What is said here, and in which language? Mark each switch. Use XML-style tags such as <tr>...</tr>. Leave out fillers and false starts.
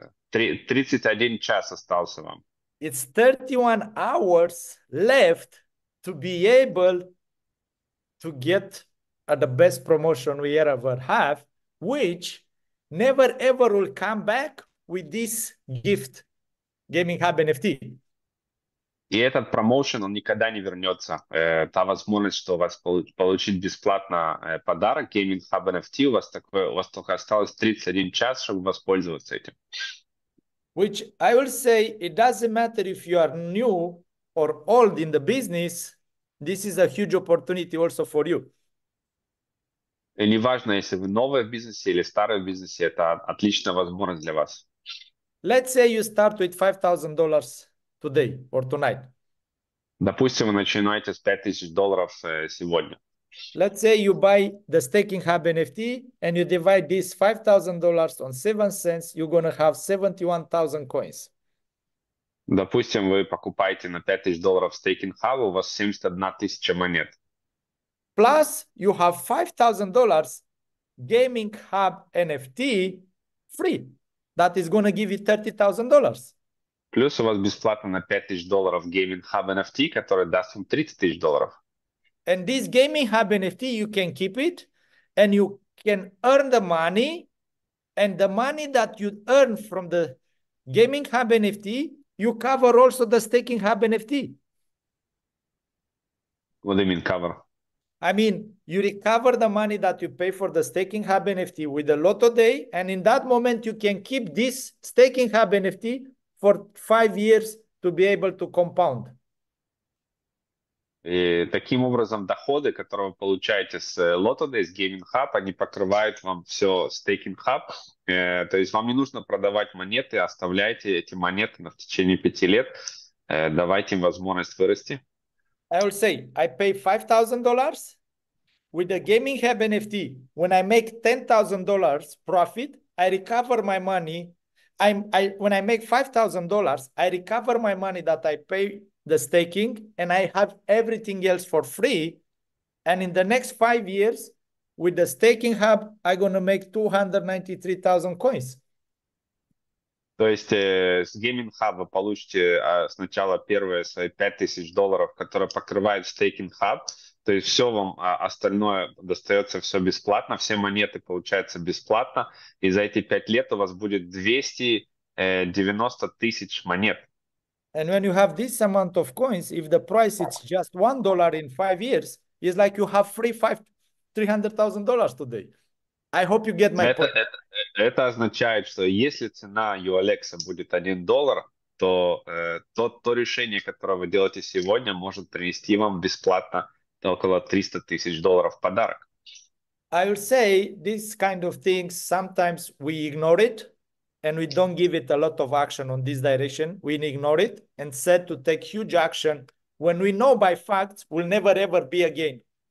<ru>Тридцать один час остался вам.</ru> <en>It's 31 hours left to be able to get the best promotion we ever have, which never ever will come back with this gift, Gaming Hub NFT.</en> <ru>И этот промоушен, он никогда не вернется. Та возможность, что у вас получить бесплатно подарок Gaming Hub NFT, у вас только осталось 31 час, чтобы воспользоваться этим.</ru> <en>Which I will say, it doesn't matter if you are new or old in the business, this is a huge opportunity also for you.</en> <ru>И неважно, если вы новый в бизнесе или старый в бизнесе, это отличная возможность для вас.</ru> <en>Let's say you start with $5,000 today or tonight.</en> <ru>Допустим, вы начинаете с 5000 долларов сегодня.</ru> <en>Let's say you buy the Staking Hub NFT and you divide this $5,000 on 7 cents, you're gonna have 71,000 coins.</en> <ru>Допустим, вы покупаете на 5000 долларов стейкинг хаб, у вас 71 тысяча монет.</ru> <en>Plus, you have $5,000 Gaming Hub NFT free. That is gonna give you $30,000.</en> <ru>Плюс у вас бесплатно на 5000 долларов Gaming Hub NFT, который даст вам 30 тысяч долларов.</ru> <en>And this Gaming Hub NFT, you can keep it and you can earn the money. And the money that you earn from the Gaming Hub NFT, you cover also the Staking Hub NFT. What do you mean cover? I mean, you recover the money that you pay for the Staking Hub NFT with a Lotto Day. And in that moment, you can keep this Staking Hub NFT for 5 years to be able to compound.</en> <ru>И таким образом доходы, которые вы получаете с Lotto Days, Gaming Hub, они покрывают вам все Staking Hub. То есть вам не нужно продавать монеты, оставляйте эти монеты в течение 5 лет. Давайте им возможность вырасти.</ru> <en>I will say I pay $5,000 with the Gaming Hub NFT. When I make $10,000 profit, I recover my money. When I make $5,000, I recover my money that I pay the staking, and I have everything else for free. And in the next 5 years, with the Staking Hub, I'm gonna make 293,000 coins.</en> <ru>То есть с Gaming Hub вы получите сначала первые свои 5000 долларов, которые покрывают Staking Hub. То есть все вам остальное достается все бесплатно, все монеты получаются бесплатно. И за эти 5 лет у вас будет 290 тысяч монет.</ru> <en>And when you have this amount of coins, if the price is just $1 in 5 years, it's like you have free five $300,000 today. I hope you get my point.</en> <ru>Это означает, что если цена Юалекса будет 1 доллар, то то решение, которое вы делаете сегодня, может принести вам бесплатно около 300 тысяч долларов в подарок.</ru> <en>I will say these kind of things sometimes we ignore it. And we don't give it a lot of action on this direction. We ignore it and set to take huge action when we know by facts we'll never ever be again.</en>